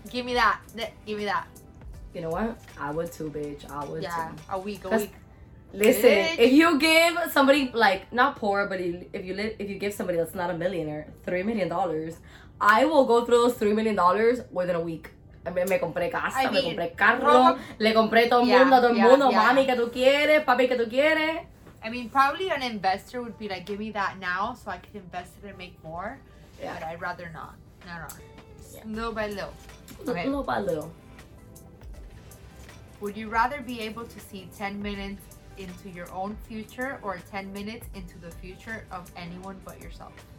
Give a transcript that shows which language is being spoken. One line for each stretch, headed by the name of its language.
English: Give me that. You know what? I would too, bitch. I would yeah, too. Yeah, a week. Listen, bitch. If you give somebody, like, not poor, but if you give somebody that's not a millionaire $3 million, I will go through those $3 million within a week.
Spanish: Me compré casa, me compré carro, le compré todo el mundo, mami, que tú quieres, papi, que tú quieres.
English: I mean, probably an investor would be like, give me that now so I can invest it and make more. Yeah. But I'd rather not. No. Yeah. Little by little. Would you rather be able to see 10 minutes into your own future or 10 minutes into the future of anyone but yourself?